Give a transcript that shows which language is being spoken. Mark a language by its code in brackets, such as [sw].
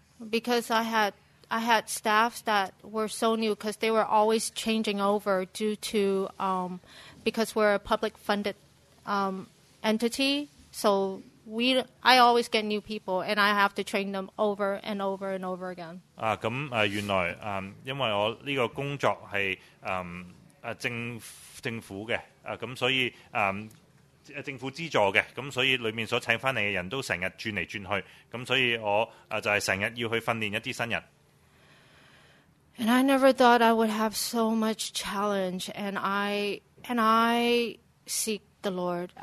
[en] Because I had staffs that were so new because they were always changing over due to, because we're a public funded entity. So I always get new people and I have to train them over and over and over again. [zh] 原來因為我這個工作是政府的，所以政府資助的，所以裡面所請回來的人都經常轉來轉去，所以我就是經常要去訓練一些新人。 [en] And I never thought I would have so much challenge, and I seek the Lord.